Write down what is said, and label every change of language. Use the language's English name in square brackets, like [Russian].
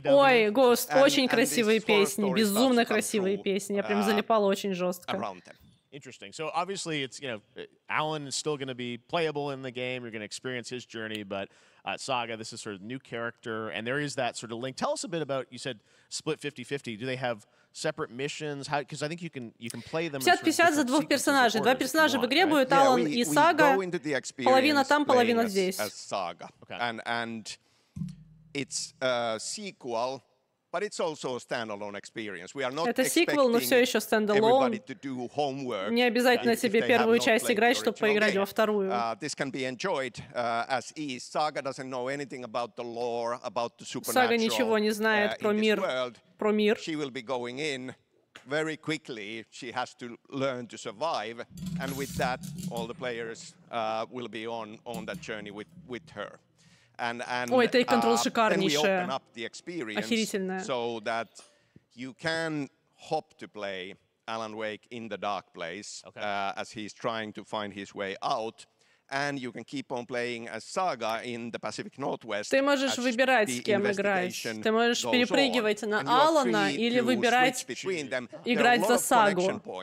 [Russian] Ой, Ghost, очень красивые песни, безумно красивые песни. Я прям залипала очень жестко. [English] Around them. Interesting. So obviously it's, you know, Alan is still going to be playable in the game. You're going to experience his journey, but Saga, this is sort of new character and there is that sort of link. Tell us a bit about, you said split 50-50. Do they have separate missions, how, because I think you can play them [Russian] 50-50 за двух персонажей. Два персонажа в игре будет Алан и Сага. Половина там, половина здесь. [English] Saga. Okay. And it's a sequel, but it's also a standalone experience. We are not expecting sequel, [Russian] но все еще standalone. [English] Everybody to do homework. [Russian] Не обязательно себе первую часть играть, чтобы поиграть во вторую. [English] This can be enjoyed as is. Saga doesn't know anything about the lore, about the supernatural. [Russian] Сага ничего не знает про мир. [English] She will be going in very quickly. She has to learn to survive, and with that, all the players will be on that journey with her. And [Russian] ой, take control, шикарнейшая. [English] Then we open up the experience so that you can hop to play Alan Wake in the dark place as he's trying to find his way out. And you can keep on playing as Saga in the Pacific Northwest. [Russian] Ты можешь выбирать, с кем играть. Ты можешь перепрыгивать на Алана или выбирать играть за Сагу.